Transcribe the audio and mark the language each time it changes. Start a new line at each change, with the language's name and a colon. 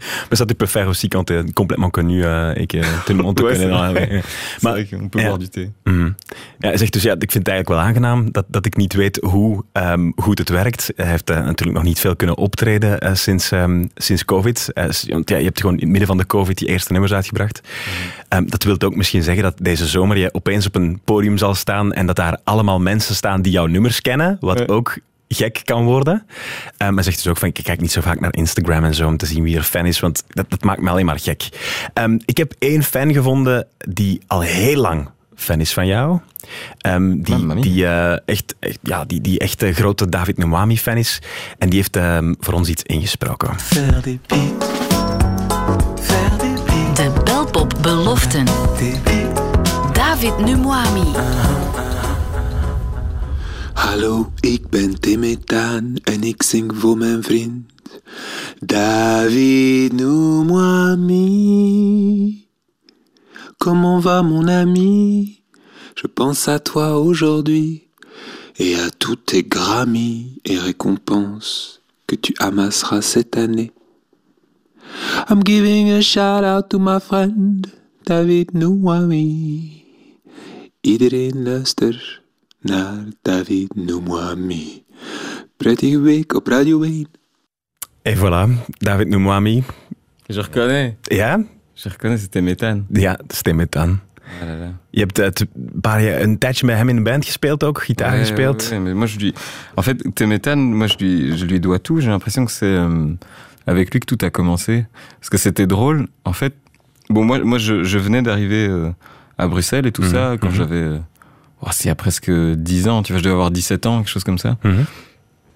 French: Mais ça, tu peux faire aussi quand t'es complètement connu et que tout le monde te connaît. C'est vrai qu'on peut boire du thé. Mm-hmm.
Dutch: Ja, zeg, dus ja, ik vind het eigenlijk wel aangenaam dat ik niet weet hoe goed het werkt. Hij heeft natuurlijk nog niet veel kunnen optreden sinds COVID. Want je hebt gewoon in het midden van de COVID die eerste nummers uitgebracht. Mm-hmm. Dat wil ook misschien zeggen dat deze zomer je opeens op een podium zal staan en dat daar allemaal mensen staan die jouw nummers kennen, wat ook... gek kan worden. Maar zegt dus ook van, ik kijk niet zo vaak naar Instagram en zo om te zien wie er fan is, want dat maakt me alleen maar gek. Ik heb 1 fan gevonden die al heel lang fan is van jou. Die echte grote David Noumouami fan is. En die heeft voor ons iets ingesproken. Verdi Piet. Verdi Piet. De Belpop beloften. David Noumouami. Hallo, ik ben Tim Etaan en ik zing voor mijn vriend David Noumouami.
French: Comment va mon ami? Je pense à toi aujourd'hui et à tous tes grammys et récompenses que tu amasseras cette année.
English: I'm giving a shout out to my friend David Noumouami.
Dutch: Iedereen luister naar David Noumouami. Prettige week op Radio 1.
French: Et voilà, David Noumouami. Je reconnais.
Dutch: Ja?
French: Je reconnais, c'était Méthane. Ja, c'était Méthane.
Dutch: Je hebt een tijdje met hem in de band gespeeld ook, gitaar gespeeld.
French: Ouais, mais moi je lui... En fait, Téméthane, moi je lui dois tout. J'ai l'impression que c'est avec lui que tout a commencé. Parce que c'était drôle. En fait, bon, moi je venais d'arriver à Bruxelles et tout ça, quand j'avais... c'est il y a presque 10 ans, tu vois, je devais avoir 17 ans, quelque chose comme ça. Mmh.